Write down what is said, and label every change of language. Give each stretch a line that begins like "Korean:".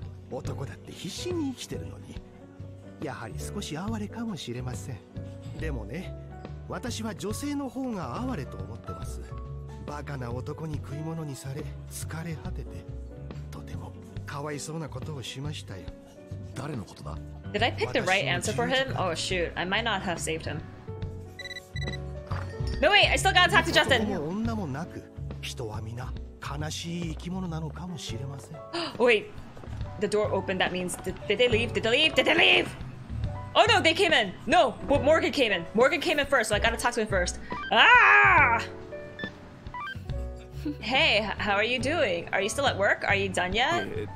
Japanese: 男だって必死に生きてるのに、やはり少し哀れかもしれません。でもね。私は女性の方が哀れと思ってます。バカな男に食い物にされ疲れ果ててとてもかわいそうなことをしましたよ。誰のことだ？
English: Did I pick the right answer for him? Oh shoot, I might not have saved him. No wait, I still gotta talk to Justin.
Japanese: 男も女もなく人は皆悲しい生き物なのかもしれません。
English: Wait, the door opened, that means did they leave? Oh no, they came in! No, but Morgan came in! Morgan came in first, so I gotta talk to him first. Ah! Hey, how are you doing? Are you still at work? Are you done yet?